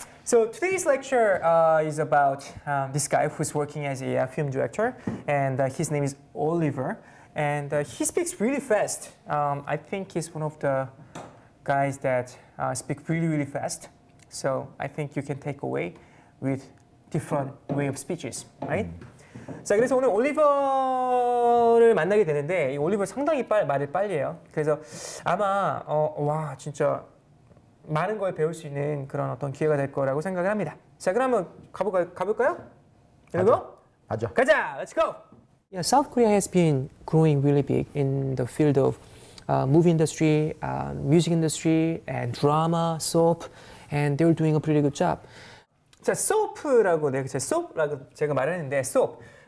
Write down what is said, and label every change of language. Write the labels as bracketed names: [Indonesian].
[English] So today's lecture is about this guy who's working as a film director, and his name is Oliver, and he speaks really fast. I think he's one of the guys that speak really, really fast. So I think you can take away with different way of speeches, right? Mm. [Korean] 자 그래서 오늘 올리버를 만나게 되는데 이 올리버 상당히 말을 빨리 해요. 그래서 아마 와 진짜 많은 걸 배울 수 있는 그런 어떤 기회가 될 거라고 생각을 합니다. 자 그러면 가볼까요? 가자. 가자. 가자. [English] Let's go. Yeah, South Korea has been growing really big in the field of movie industry, music industry, and drama, soap, and they're doing a pretty good job. [Korean] 자 soap라고 내가 제 soap라고 제가 말했는데 soap.